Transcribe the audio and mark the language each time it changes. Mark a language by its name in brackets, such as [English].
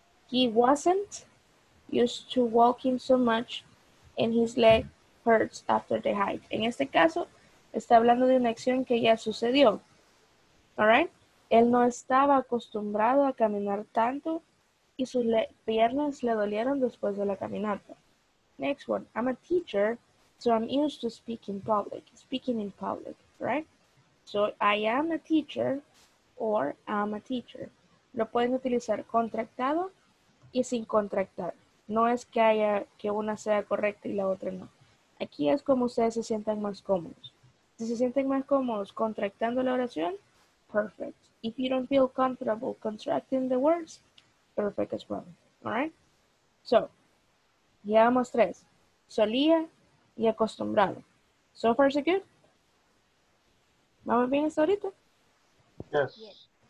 [English] He wasn't used to walking so much and his leg hurts after the hike. [Spanish] En este caso, está hablando de una acción que ya sucedió, ¿alright? Él no estaba acostumbrado a caminar tanto y sus piernas le dolieron después de la caminata. [English] Next one, I'm a teacher, so I'm used to speaking in public, right? So I am a teacher or I'm a teacher. [Spanish] Lo pueden utilizar contractado y sin contractar. No es que haya que una sea correcta y la otra no. Aquí es como ustedes se sientan más cómodos. Si se sienten más cómodos contractando la oración, perfect. [English] If you don't feel comfortable contracting the words, perfect as well, alright? [Spanish] So, llevamos tres. Solía y acostumbrado. [English] So far, so good. [Spanish] ¿Vamos bien hasta ahorita? [English] Yes.